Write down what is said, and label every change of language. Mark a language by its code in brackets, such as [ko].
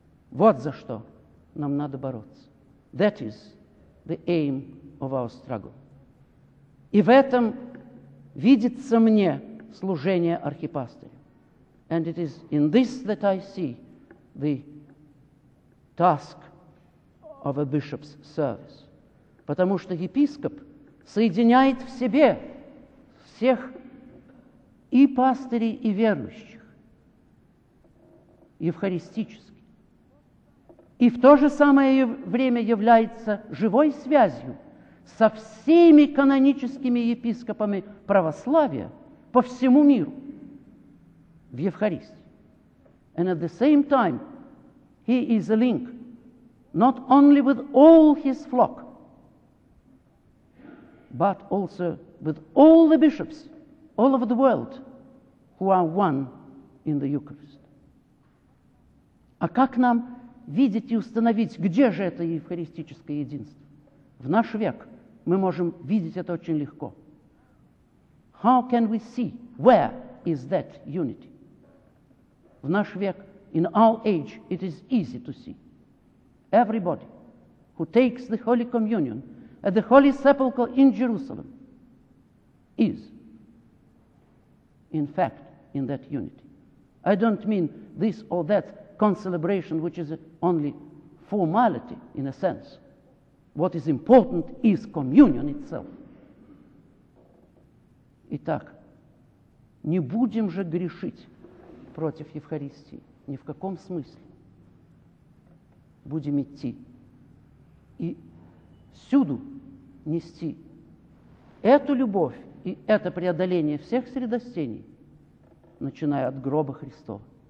[ru] Вот за что нам надо бороться. [en] That is the aim of our struggle. [ru] И в этом видится мне служение архипастыря. [en] And it is in this that I see the task of a bishop's service. [ru] Потому что епископ соединяет в себе всех и пастырей, и верующих, евхаристически. И в то же самое время является живой связью со всеми каноническими епископами православия по всему миру в Евхаристии. [en] And at the same time, he is a link not only with all his flock, but also with all the bishops all over the world who are one in the Eucharist. [ru] А как нам видеть и установить, где же это евхаристическое единство? В наш век мы можем видеть это очень легко. [en] How can we see where is that unity? [ru] В наш век, [en] in our age, it is easy to see. Everybody who takes the Holy Communion at the Holy Sepulchre in Jerusalem is, in fact, in that unity. I don't mean this or that concelebration, which is only formality in a sense. What is important is communion itself. [ru] Итак, не будем же грешить против Евхаристии ни в каком смысле. Будем идти и всюду нести эту любовь и это преодоление всех средостений, начиная от гроба Христова.